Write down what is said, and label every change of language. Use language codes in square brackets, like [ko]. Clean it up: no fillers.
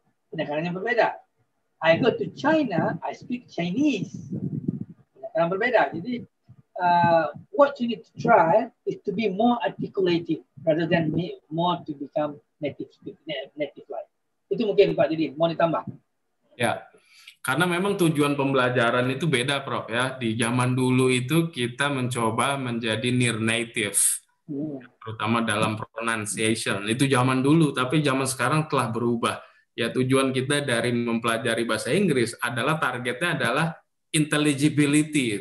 [id] Pendekatannya berbeda. [en] I go to China. I speak Chinese. [id] Pendekatannya berbeda. Jadi, [en] what you need to try is to be more articulative rather than more to become native speaker, native like. [id] Itu mungkin Pak Didi, mau ditambah? Ya, karena memang tujuan pembelajaran itu beda, Prof. Ya. Di zaman dulu itu kita mencoba menjadi near native. Terutama dalam pronunciation. Itu zaman dulu, tapi zaman sekarang telah berubah. Ya, tujuan kita dari mempelajari bahasa Inggris adalah targetnya adalah intelligibility.